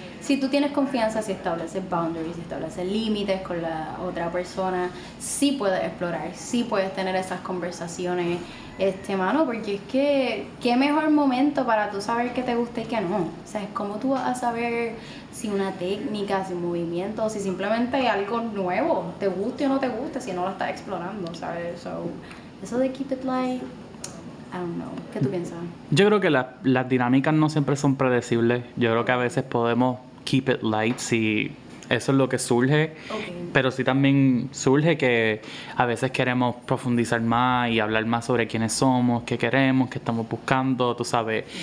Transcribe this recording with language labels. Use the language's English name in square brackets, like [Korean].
[Spanish] Si tú tienes confianza, si estableces boundaries, si estableces límites con la otra persona, sí puedes explorar, sí puedes tener esas conversaciones, mano, porque es que, ¿qué mejor momento para tú saber qué te gusta y qué no? O sea, es como tú vas a saber si una técnica, si un movimiento, si simplemente hay algo nuevo, te guste o no te guste, si no lo estás explorando, ¿sabes? [English] So, [Spanish] eso de [English] keep it light, I don't know. [Spanish] ¿Qué tú piensas? Yo creo que las dinámicas no siempre son predecibles. Yo creo que a veces podemos [English] keep it light [Spanish] si eso es lo que surge. [English] Okay. [Spanish] Pero sí también surge que a veces queremos profundizar más y hablar más sobre quiénes somos, qué queremos, qué estamos buscando, tú sabes.